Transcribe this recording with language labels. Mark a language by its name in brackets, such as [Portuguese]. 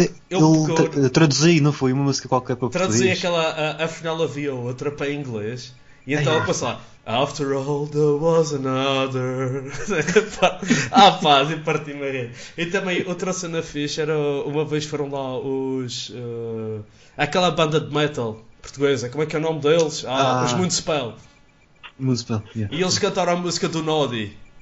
[Portuguese] Eu traduzi, não foi? Uma música qualquer para traduzi português. Traduzi aquela, afinal havia outra para inglês. E então eu passava, [English] after all there was another. [Portuguese] Ah pá, e parti-me a rir. E também outra cena fixe era, uma vez foram lá os... aquela banda de metal portuguesa, como é que é o nome deles? Ah, os Moonspell. Moonspell, yeah. E eles cantaram a música do Noddy.